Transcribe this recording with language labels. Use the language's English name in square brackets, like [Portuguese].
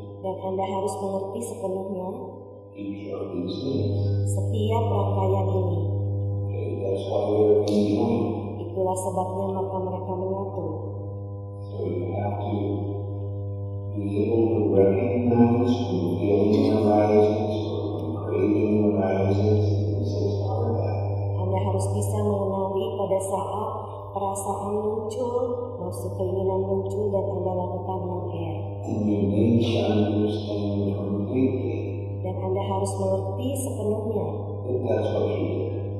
[Indonesian] Dan Anda harus mengerti sepenuhnya. [English] Each of these things. [Indonesian] Setiap rangkaian ini. [English] Okay, that's why they're conjoined. [Indonesian] Itulah sebabnya maka mereka menyatu. [English] So you have to be able to recognize when feeling arises or craving arises. This is part of that. [Indonesian] Anda harus bisa mengenali pada saat perasaan muncul, maksud keinginan muncul dan Anda lakukan mengkir. [English] And you need to understand completely. [Indonesian] Dan Anda harus mengerti sepenuhnya. [English] That's what you did.